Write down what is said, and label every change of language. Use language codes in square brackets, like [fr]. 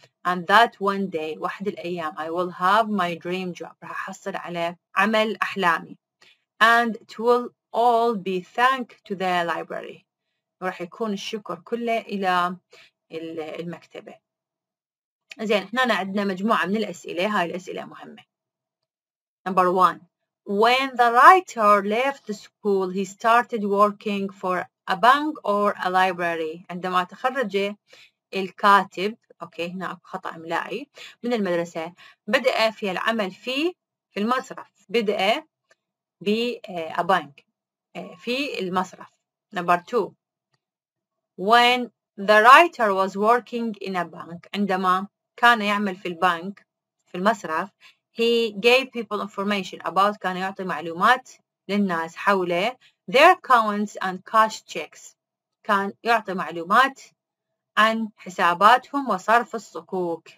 [en] And that one day, [ar] واحد الأيام, [en] I will have my dream job, [ar] راح أحصل على عمل أحلامي. [en] And it will all be thank to the library, [ar] راح يكون الشكر كله إلى المكتبة. زين, إحنا عندنا مجموعة من الأسئلة, هاي الأسئلة مهمة. [en] Number one, when the writer left the school, he started working for a bank or a library. [ar] عندما تخرج الكاتب, اوكي هنا خطأ املائي, من المدرسة, بدأ في العمل في المصرف, بدأ ب a bank في المصرف. [en] Number two, when the writer was working in a bank, [ar] عندما كان يعمل في البنك في المصرف, [en] he gave people information about, [ar] كان يعطي معلومات للناس حوله, [en] their accounts and cash checks, [ar] كان يعطي معلومات عن حساباتهم وصرف الصكوك.